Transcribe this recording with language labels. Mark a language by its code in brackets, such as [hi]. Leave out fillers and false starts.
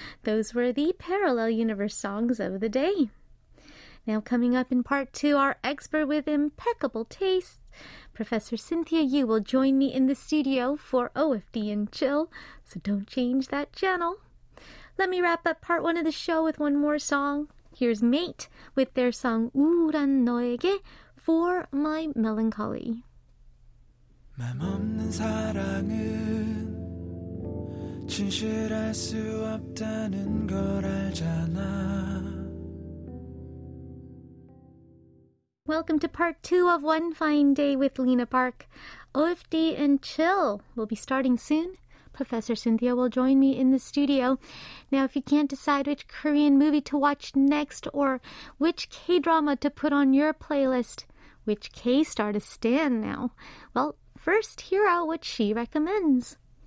[en] Those were the Parallel Universe songs of the day. Now coming up in part two, our expert with impeccable taste, Professor Cynthia Yu, will join me in the studio for OFD and Chill, so don't change that channel. Let me wrap up part one of the show with one more song. Here's Mate with their song 우울한 너에게, For My Melancholy. [ko] 맘 없는 사랑은 진실할 수 없다는 걸 알잖아. [en] Welcome to part two of One Fine Day with Lena Park. OFD and Chill will be starting soon. Professor Cynthia will join me in the studio. Now, if you can't decide which Korean movie to watch next or which K-drama to put on your playlist, which K-star to stan now, well, first, hear out what she recommends.